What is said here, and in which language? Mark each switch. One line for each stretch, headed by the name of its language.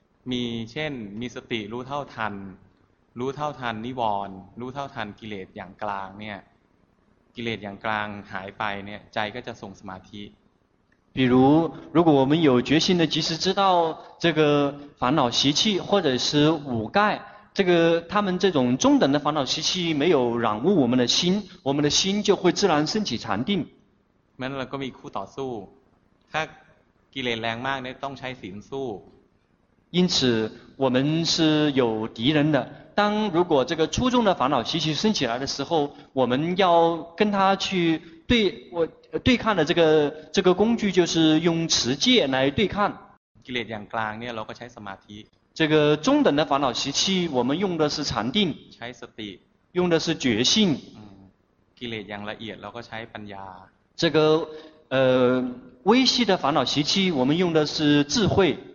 Thai: มีเช่นมีสติรู้เท่าทันรู้เท่าทันนิวรณ์รู้เท่าทันกิเลสอย่างกลางเนี่ยกิเลสอย่างกลางหายไปเนี่ยใจก็จะทรงสมาธิ
Chinese: 比如如果我们有决心的及时知道这个烦恼习气或者是五盖，这个他们这种中等的烦恼习气没有染污我们的心，我们的心就会自然升起禅定。
Thai: มันก็มีคู่ต่อสู้ถ้ากิเลสแรงมากเนี่ยต้องใช้ศีลสู้
Chinese: 因此我们是有敌人的，当如果这个初中的烦恼习气升起来的时候，我们要跟他去对，我对抗的这个工具就是用持戒来对抗。
Thai: กิเลสอย่างกลางเนี่ยเราก็ใช้สมาธิ
Chinese: 这个中等的烦恼习气我们用的是禅定，
Thai: ใช้สติ
Chinese: 用的是觉性。
Thai: กิเลสอย่างละเอียดเราก็ใช้ปัญญา
Chinese: 这个微细的烦恼习气我们用的是智慧，